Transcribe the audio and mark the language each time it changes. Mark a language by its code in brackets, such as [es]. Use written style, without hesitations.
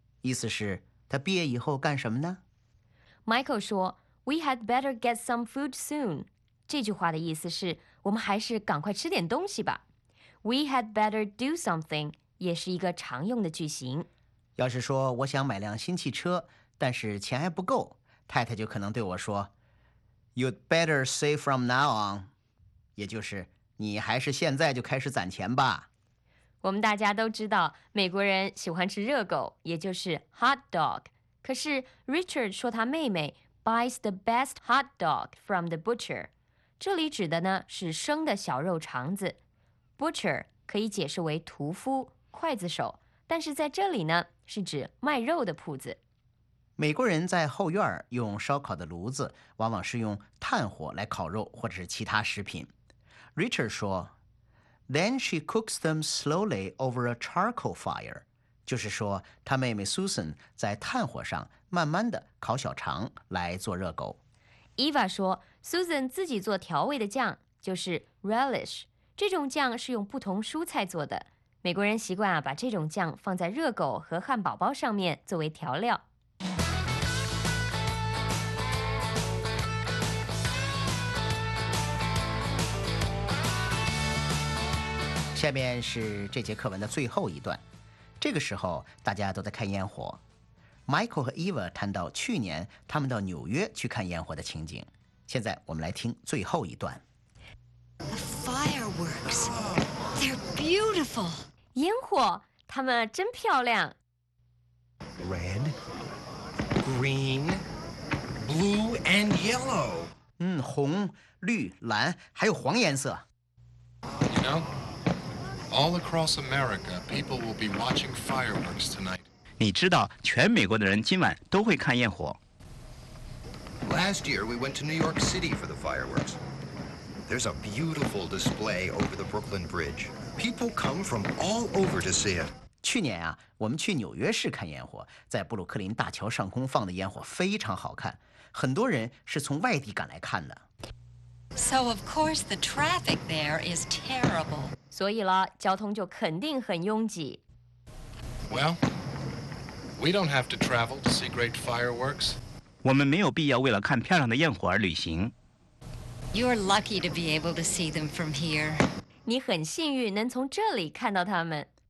[zh] 意思是他毕业以后干什么呢？ [en] Michael 说 We had better get some food soon. [zh] 这句话的意思是我们还是赶快吃点东西吧。 [en] We had better do something [zh] 也是一个常用的句型。要是说我想买辆新汽车，但是钱还不够，太太就可能对我说 [en] You'd better save from now on. [zh] 也就是你还是现在就开始攒钱吧。我们大家都知道美国人喜欢吃热狗，也就是 hot dog。可是 Richard 说他妹妹 [en] buys the best hot dog from the butcher， [zh] 这里指的呢是生的小肉肠子。 butcher 可以解释为屠夫、刽子手，但是在这里呢是指卖肉的铺子。美国人在后院用烧烤的炉子往往是用炭火来烤肉或者是其他食品。 [en] Richard 说 Then she cooks them slowly over a charcoal fire. [zh] 就是说她妹妹 Susan 在炭火上慢慢地烤小肠来做热狗。 Eva 说 Susan 自己做调味的酱，就是 relish。这种酱是用不同蔬菜做的，美国人习惯、把这种酱放在热狗和汉堡包上面作为调料。下面是这节课文的最后一段，这个时候大家都在看烟火。 Michael 和 Eva 谈到去年他们到纽约去看烟火的情景，现在我们来听最后一段。 [en] The fireworks, they're beautiful. [zh] 烟火，它们真漂亮。 [en] Red, green, blue and yellow. [zh] 红、绿、蓝，还有黄颜色。 [en] You know,All across America, people will be watching fireworks tonight. [zh] 你知道，全美国的人今晚都会看焰火。 [en] Last year, we went to New York City for the fireworks. There's a beautiful display over the Brooklyn Bridge. People come from all over to see it. [zh] 去年啊，我们去纽约市看焰火，在布鲁克林大桥上空放的烟火非常好看，很多人是从外地赶来看的。 [en] So of course, the traffic there is terrible. [zh] 所以了，交通就肯定很拥挤。 [en] Well, we don't have to travel to see great fireworks. [zh] 我们没有必要为了看漂亮的焰火而旅行。 [en] You're lucky to be able to see them from here. [zh] 你很幸运能从这里看到它们。